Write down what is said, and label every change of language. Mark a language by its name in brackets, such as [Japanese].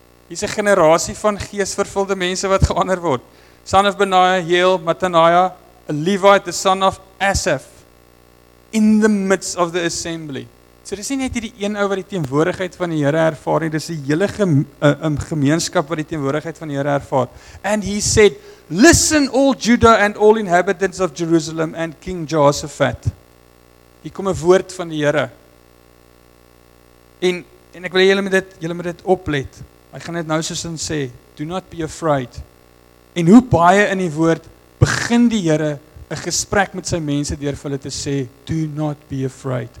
[Afrikaans] Hier's 'n generasie van geesvervulde mense wat geander word. [English] Son of Benaiah, Yeel, Mataniah, a Levite, the son of Asaph. In the midst of the assembly. [Afrikaans] So dis nie net hierdie een ou wat die teenwoordigheid van die Here ervaar nie, dis 'n hele gemeenskap wat die teenwoordigheid van die Here ervaar. [English] And he said, listen all Judah and all inhabitants of Jerusalem and King Jehoshaphat. [Afrikaans] Hier kom 'n woord van die Here. En ek wil julle met dit oplet. Hy gaan dit nou soos in sê, [English] do not be afraid. [Afrikaans] En hoe baie in die woord begin die Here 'n gesprek met sy mense deur vir hulle te sê, [English] do not be afraid.